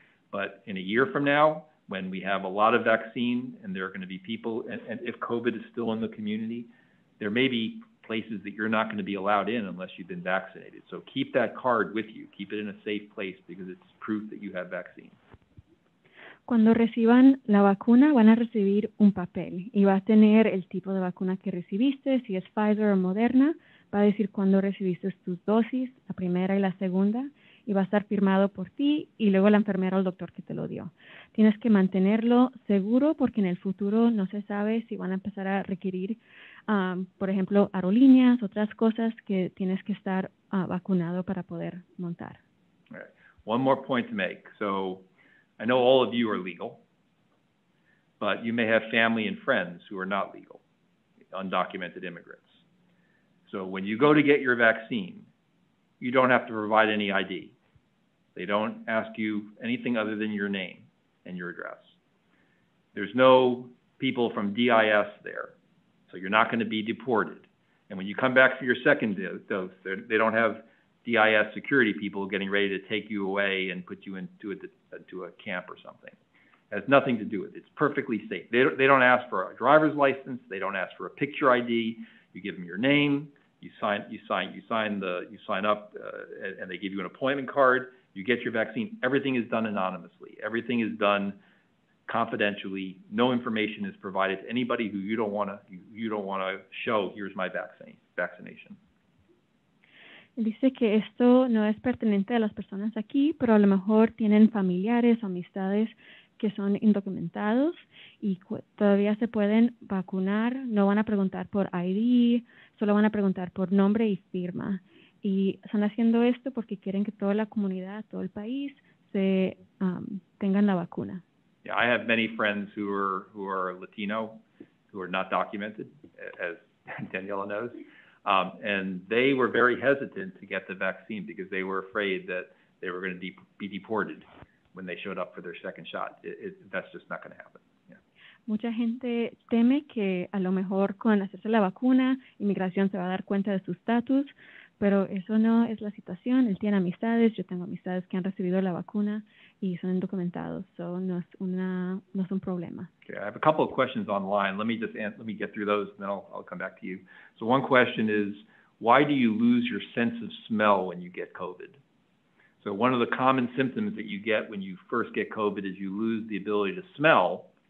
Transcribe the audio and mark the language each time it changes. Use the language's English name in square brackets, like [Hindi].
[English] But in a year from now, when we have a lot of vaccine and there are going to be people, and if COVID is still in the community, there may be places that you're not going to be allowed in unless you've been vaccinated. So keep that card with you. Keep it in a safe place because it's proof that you have vaccine. [Spanish] Cuando reciban la vacuna, van a recibir un papel y va a tener el tipo de vacuna que recibiste, si es Pfizer o Moderna. Va a decir cuándo recibiste tus dosis, la primera y la segunda, y va a estar firmado por ti y luego la enfermera o el doctor que te lo dio. Tienes que mantenerlo seguro porque en el futuro no se sabe si van a empezar a requerir, por ejemplo, aerolíneas, otras cosas que tienes que estar vacunado para poder montar. [English] All right. One more point to make. So I know all of you are legal, but you may have family and friends who are not legal, undocumented immigrants. So when you go to get your vaccine, you don't have to provide any ID. They don't ask you anything other than your name and your address. There's no people from DIS there, so you're not going to be deported. And when you come back for your second dose, they don't have DIS security people getting ready to take you away and put you into a camp or something. It has nothing to do with it. It's perfectly safe. They don't ask for a driver's license. They don't ask for a picture ID. You give them your name, you sign up, and they give you an appointment card. You get your vaccine. Everything is done anonymously. Everything is done confidentially. No information is provided to anybody who you don't want to show. Here's my vaccination. [Spanish] Dice que esto no es pertinente a las personas aquí, pero a lo mejor tienen familiares, amistades que son indocumentados y todavía se pueden vacunar. No van a preguntar por ID, solo van a preguntar por nombre y firma. Y están haciendo esto porque quieren que toda la comunidad, todo el país, se tengan la vacuna. [English] Yeah, I have many friends who are Latino, who are not documented, as Daniela knows. And they were very hesitant to get the vaccine because they were afraid that they were going to be deported when they showed up for their second shot. That's just not going to happen. Yeah. [Spanish] Mucha gente teme que a lo mejor con hacerse la vacuna, inmigración se va a dar cuenta de su estatus, pero eso no es la situación. Él tiene amistades, yo tengo amistades que han recibido la vacuna y son indocumentados. So no es un problema. [English] Okay, I have a couple of questions online. Let me get through those and then I'll come back to you. So one question is, why do you lose your sense of smell when you get COVID? So one of the common symptoms that you get when you first get COVID is you lose the ability to smell.